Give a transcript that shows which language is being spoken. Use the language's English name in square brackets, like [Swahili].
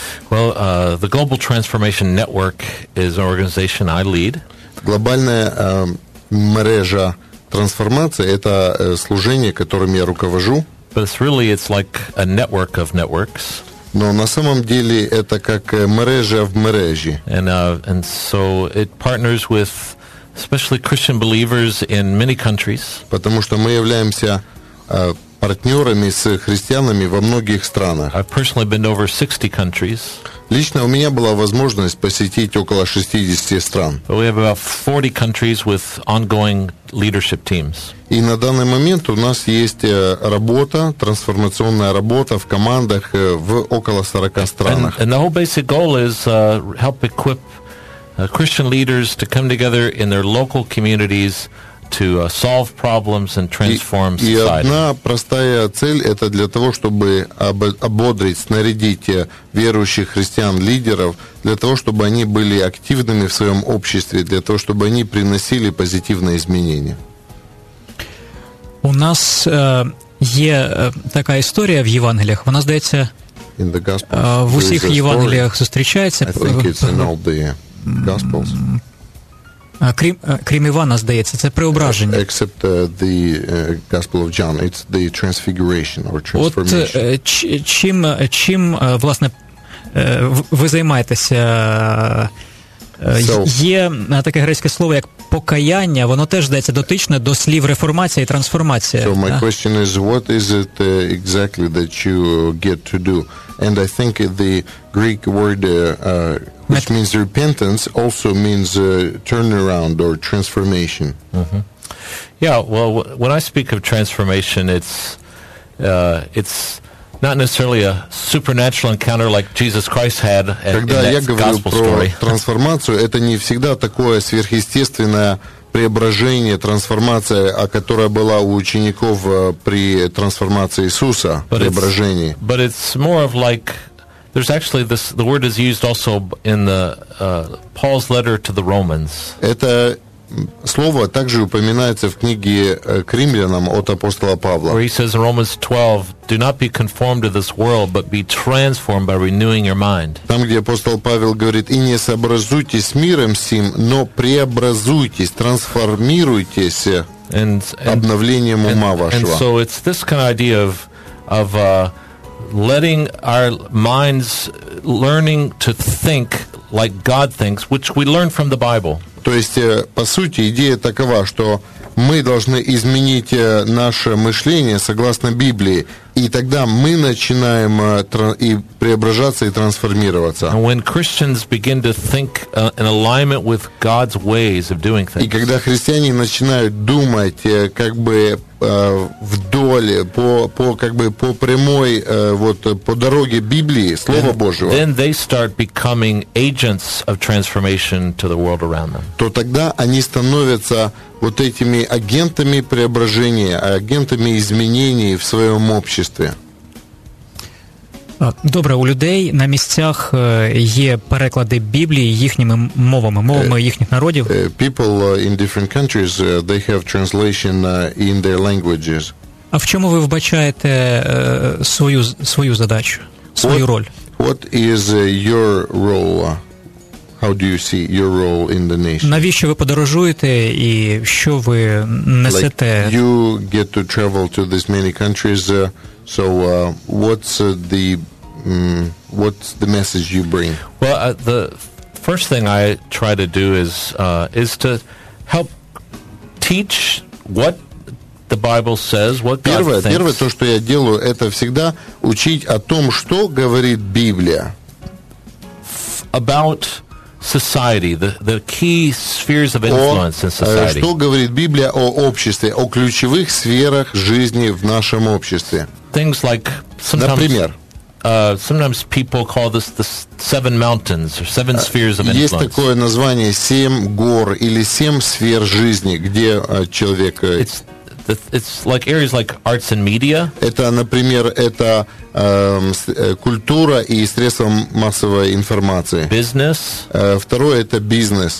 [English] Well, the Global Transformation Network is an organization I lead. [Ukrainian] Глобальна мережа трансформації – це служіння, яким я руковожу. [English] But it's really, it's like a network of networks. [Russian] Но на самом деле это как [Ukrainian] мережа в мережі. [English] And so it partners with especially Christian believers in many countries. [Russian] Потому что мы являемся партнерами с христианами во многих странах. [English] I've personally been to over 60 countries. [Russian] Лично у меня была возможность посетить около 60 стран. [English] But we have about 40 countries with ongoing leadership teams. [Russian] И на данный момент у нас есть работа, трансформационная работа в командах в около 40 странах. [English] And the whole basic goal is help equip Christian leaders to come together in their local communities to solve problems and transform society. [Russian] И одна простая цель – это для того, чтобы ободрить, снарядить верующих христиан-лидеров, для того, чтобы они были активными в своем обществе, для того, чтобы они приносили позитивные изменения. У нас такая история в Евангелиях. [Ukrainian] Вона, здається, в усіх Евангеліях зустрічається. [English] I think it's in all the Gospels. [Ukrainian] Крім Івана, здається, це преображення. [English] Except the Gospel of John, it's the transfiguration or transformation. [Ukrainian] От чим власне ви займаєтеся? Є таке грецьке слово як покаяння, воно теж, здається, дотичне до слів реформація і трансформація. [English] So my question is, what is it exactly that you get to do? And I think the Greek word which means repentance also means turnaround or transformation. Mm-hmm. Yeah, well, when I speak of transformation, it's not necessarily a supernatural encounter like Jesus Christ had in that gospel story. [Russian] Когда я говорю про трансформацию, это не всегда такое сверхъестественное преображение, трансформация, о которой была у учеников при трансформации Иисуса, преображении. [English] But it's more of like there's actually this, the word is used also in the Paul's letter to the Romans. [Russian] Это слово также упоминается в книге к римлянам от апостола Павла. [English] Where he says in Romans 12, do not be conformed to this world, but be transformed by renewing your mind. [Russian] Там, где апостол Павел говорит, и не сообразуйтесь с миром сим, но преобразуйтесь, трансформируйтесь обновлением ума вашего. [English] And so it's this kind of idea of letting our minds learning to think like God thinks, which we learn from the Bible. [Russian] То есть, по сути, идея такова, что мы должны изменить наше мышление согласно Библии, и тогда мы начинаем и преображаться и трансформироваться. [English] And when Christians begin to think in alignment with God's ways of doing things. [Russian] И когда христиане начинают думать как бы вдоль по прямой вот по дороге Библии, Слова Божьего. [English] Then they start becoming agents of transformation to the world around them. [Russian] То тогда они становятся вот этими агентами преображения, агентами изменений в своем обществе. [Ukrainian] Добре, у людей на місцях є переклади Біблії їхніми мовами, мовами їхніх народів. [English] People in different countries, they have translation in their languages. [Ukrainian] А в чому ви вбачаєте свою задачу, свою роль? [English] What is your role? How do you see your role in the nation? [Ukrainian] Навіщо ви подорожуєте і що ви несете? [English] Like you get to travel to these many countries, so what's the what's the message you bring? Well, the first thing I try to do is to help teach what the Bible says, what God [Russian] первое, [English] thinks. [Russian] Первое, то, что я делаю, это всегда учить о том, что говорит Библия. [English] About society, the key spheres of influence in society. [Russian] Что говорит Библия о обществе, о ключевых сферах жизни в нашем обществе. [English] Things like, sometimes, [Russian] например, [English] sometimes people call this the seven mountains or seven spheres of influence. [Russian] Есть такое название семь гор или семь сфер жизни, где человек. [English] It's like areas like arts and media. [Russian] Это, например, это культура и средства массовой информации. [English] Business. [Russian] Второе это бизнес.